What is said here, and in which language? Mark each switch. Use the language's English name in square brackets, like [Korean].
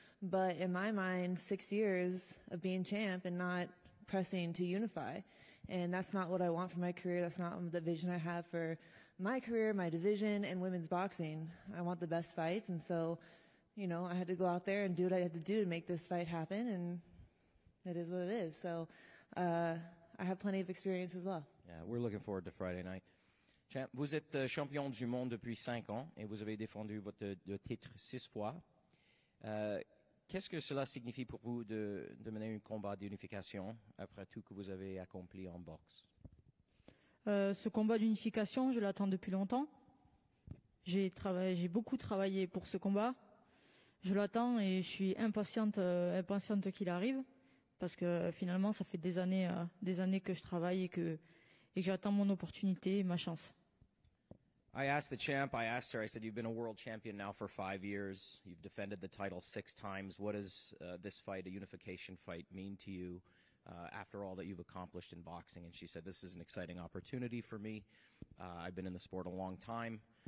[English] But in my mind, 6 years of being champ and not pressing to unify, and that's not what I want for my career. That's not the vision I have for my career, my division, and women's boxing. I want the best fights, and so, you know, I had to go out there and do what I had to do to make this fight happen, and it is what it is. So I have plenty of experience as well. Yeah, we're looking forward to Friday night. [French] Champ, vous êtes champion du monde depuis 5 ans et vous avez défendu votre titre 6 fois. Qu'est-ce que cela signifie pour vous de mener un combat d'unification après tout que vous avez accompli en boxe? Ce combat d'unification, je l'attends depuis longtemps. J'ai beaucoup travaillé pour ce combat. Je l'attends et je suis impatiente qu'il arrive parce que finalement, ça fait des années que je travaille et que j'attends mon opportunité et ma chance. [English] I asked the champ, I asked her, I said, you've been a world champion now for 5 years. You've defended the title 6 times. What does this fight, a unification fight, mean to you after all that you've accomplished in boxing? And she said, this is an exciting opportunity for me. I've been in the sport a long time.